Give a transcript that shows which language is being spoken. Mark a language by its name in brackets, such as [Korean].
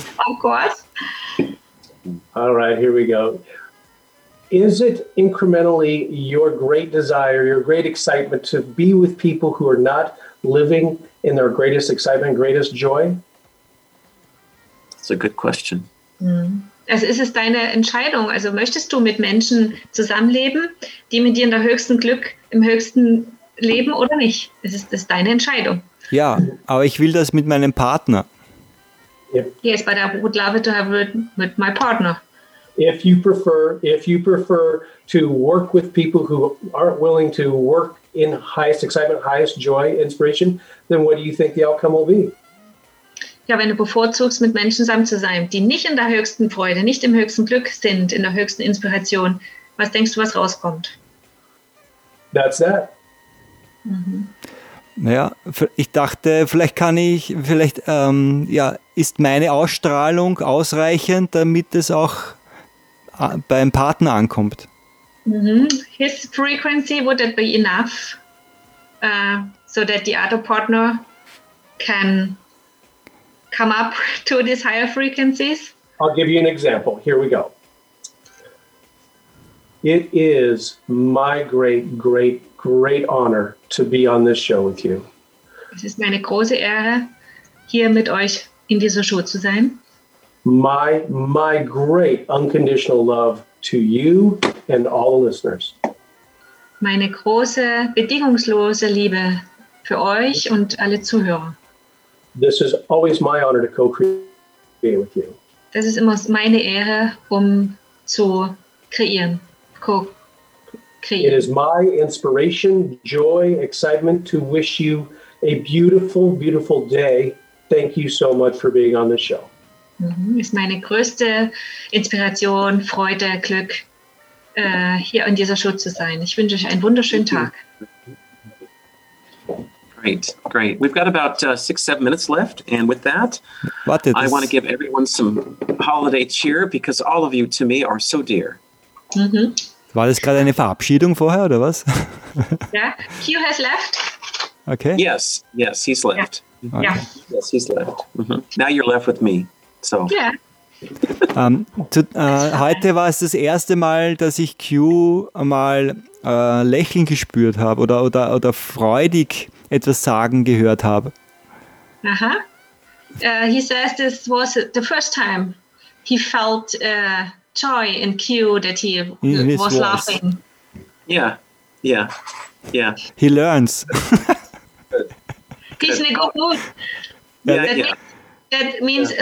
[English] Of course. All right, here we go. Is it incrementally your great desire, your great excitement to be with people who are not living in their greatest excitement, greatest joy? That's a good question. [German] Also ist es deine Entscheidung? Also möchtest du mit Menschen zusammenleben, die mit dir in der höchsten Glück, im höchsten leben oder nicht? Ist es deine Entscheidung? Ja, aber ich will das mit meinem Partner. [English] Yeah. Yes, but I would love it to have it with my partner. If you prefer to work with people who aren't willing to work in highest excitement, highest joy, inspiration, then what do you think the outcome will be? [German] Ja, wenn du bevorzugst, mit Menschen zusammen zu sein, die nicht in der höchsten Freude, nicht im höchsten Glück sind, in der höchsten Inspiration, was denkst du, was rauskommt? [English] That's that. [German] Naja, ich dachte, ist meine Ausstrahlung ausreichend, damit es auch beim Partner ankommt? [English] His frequency, would that be enough so that the other partner can come up to these higher frequencies? I'll give you an example. Here we go. It is my great, great, great honor to be on this show with you. [German] Es ist meine große Ehre, hier mit euch in dieser Show zu sein. [English] My great unconditional love to you and all the listeners. [German] Meine große, bedingungslose Liebe für euch und alle Zuhörer. [English] This is always my honor to co-create with you. [German] Das ist immer meine Ehre, zu kreieren, [English] It is my inspiration, joy, excitement to wish you a beautiful, beautiful day. Thank you so much for being on the show. [German] ist meine größte Inspiration, Freude, Glück, hier in dieser Show zu sein. Ich wünsche euch einen wunderschönen Tag. [English] Great, great. We've got about 6-7 minutes left, and with that, I want to give everyone some holiday cheer, because all of you to me are so dear. Mm-hmm. [German] War das gerade eine Verabschiedung vorher, oder was? [English] Yeah, Hugh has left. Okay. Yes, he's left. Yeah. Okay. Yes, he's left. Mm-hmm. Now you're left with me, so. Yeah. [German] Heute war es das erste Mal, dass ich Q mal lächeln gespürt habe oder freudig etwas sagen gehört habe. Aha. [English] He says this was the first time he felt joy in Q that he was laughing. Yeah. He learns. He's in a good mood. That means